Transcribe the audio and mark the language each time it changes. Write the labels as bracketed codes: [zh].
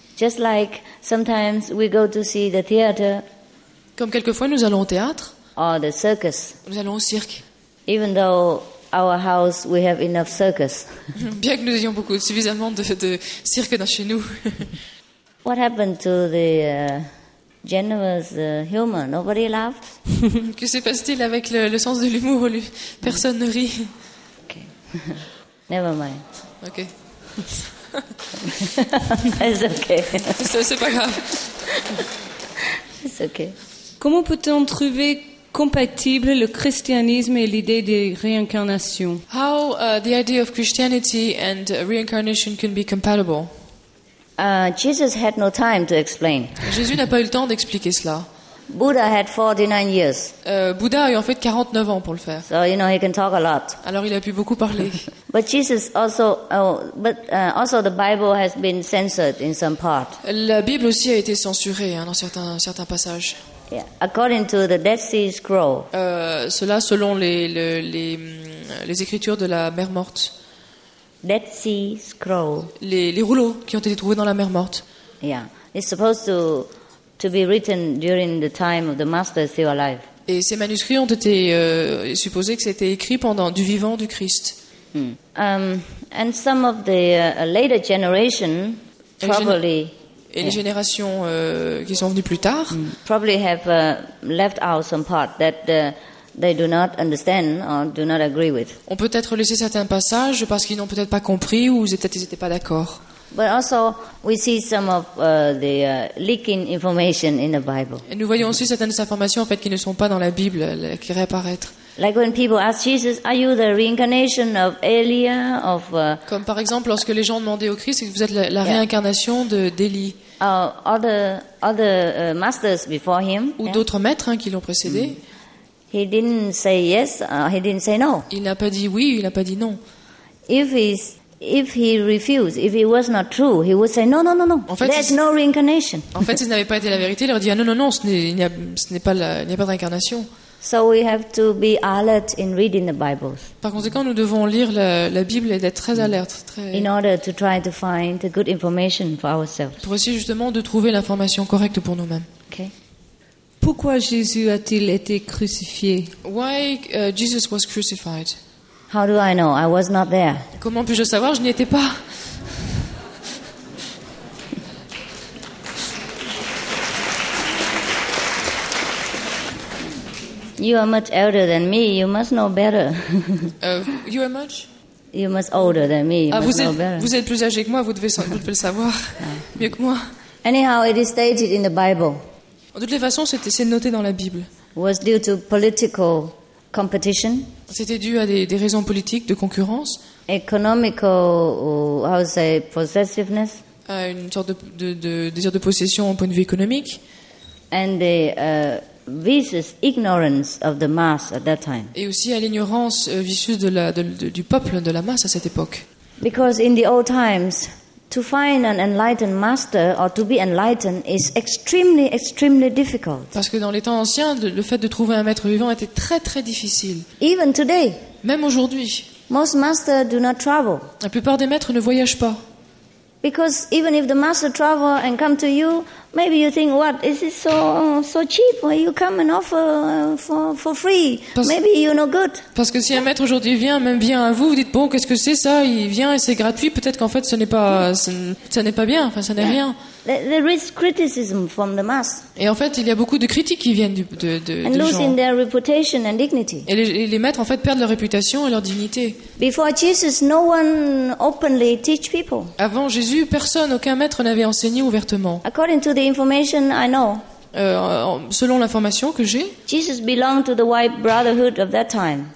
[en] Just like sometimes we go to see the theater. [fr] Comme quelquefois nous allons au théâtre. [en] Or the circus. [fr] Nous allons au cirque. [en] Even though our house we have enough circus. [fr] Bien que nous ayons beaucoup suffisamment de cirque dans chez nous. [en] What happened to the generous humor? Nobody laughed. [fr] Que se passe-t-il avec le sens de l'humour? Personne ne rit. [en] Okay. Never mind. Okay. It's okay. [fr] C'est pas grave. [en] It's okay. [fr] Comment peut-on trouver compatible le christianisme et l'idée de réincarnation? [en] How the idea of Christianity and reincarnation can be compatible? Jesus had no time to explain. [fr] Jésus n'a pas eu le temps d'expliquer cela. [en] Buddha had 49 years. [fr] Bouddha a eu en fait 49 ans pour le faire. [en] So you know he can talk a lot. [fr] Alors il a pu beaucoup parler. [en] But Jesus also but also the Bible has been censored in some part. [fr] La Bible aussi a été censurée dans certains passages. [en] Yeah. According to the Dead Sea Scroll. [fr] Cela selon les écritures de la mer morte. [en] Dead Sea Scroll. [fr] Les rouleaux qui ont été trouvés dans la mer morte. [en] Yeah, it's supposed to be written during the time of the Master still alive. [fr] Et ces manuscrits ont été supposé que c'était écrit pendant du vivant du Christ. [en] Hmm. And some of the later generation probably. Et les générations qui sont venues plus tard. Hmm. Probably have left out some part that. They do not understand or do not agree with. [fr] On peut être laissé certains passages parce qu'ils n'ont peut-être pas compris ou peut-être ils n'étaient pas d'accord. [en] But also, we see some of the leaking information in the Bible. [fr] Et nous voyons aussi certaines informations en fait qui ne sont pas dans la Bible, qui réapparaissent. [en] Like when people ask Jesus, are you the reincarnation of Elia of [fr] Comme par exemple lorsque les gens demandaient au Christ, vous êtes la réincarnation de d'Élie. [en] Other masters before him. [fr] Ou d'autres maîtres qui l'ont précédé. [en] He didn't say yes, he didn't say no. [fr] Il n'a pas dit oui, il n'a pas dit non. [en] If he refused, if it was not true, he would say no. [fr] En fait, [en] there's no reincarnation. [fr] En fait, s'il n'avait pas été la vérité, il aurait dit non, il n'y a pas de réincarnation. [en] So we have to be alert in reading the Bibles. [fr] Par conséquent, nous devons lire la Bible et d'être très alerte, très. [en] In order to try to find the good information for ourselves. [fr] Pour essayer justement de trouver l'information correcte pour nous-mêmes. [en] Okay. [fr] Pourquoi Jésus a-t-il été crucifié? [en] Why Jesus was crucified? How do I know? I was not there. Comment puis-je savoir? Je n'y étais pas. You are much elder than me. You must know better. You are much? You must older than me. You must know better. [fr] Vous êtes plus âgé que moi. Vous devez le savoir mieux que moi. [en] Anyhow, it is stated in the Bible. [fr] En toutes les façons, c'est noté dans la Bible. [en] Was due to political competition. [fr] C'était dû à des raisons politiques de concurrence. [en] Economical, how to say, possessiveness. [fr] À une sorte de désir de possession au point de vue économique. [en] And the vicious ignorance of the mass at that time. [fr] Et aussi à l'ignorance vicieuse du peuple de la masse à cette époque. [en] Because in the old times, to find an enlightened master or to be enlightened is extremely, extremely difficult. [fr] Parce que dans les temps anciens, le fait de trouver un maître vivant était très, très difficile. [en] Even today. [fr] Même aujourd'hui. [en] Most masters do not travel. [fr] La plupart des maîtres ne voyagent pas. [en] Because even if the master travels and comes to you, maybe you think, what is this so cheap? Why you come and offer for free? Maybe you're no good. [fr] Parce que si un maître aujourd'hui vient, même bien à vous, vous dites bon, qu'est-ce que c'est ça? Il vient et c'est gratuit. Peut-être qu'en fait, ce n'est pas bien. Enfin, ça n'est rien. [en] There is criticism from the mass. [fr] Et en fait, il y a beaucoup de critiques qui viennent de gens. [en] And losing their reputation and dignity. [fr] Et les maîtres en fait perdent leur réputation et leur dignité. [en] Before Jesus, no one openly teach people. [fr] Avant Jésus, personne, aucun maître n'avait enseigné ouvertement. [en] According to the information I know. [fr] Selon l'information que j'ai. [en] Jesus belonged to the white brotherhood of that time.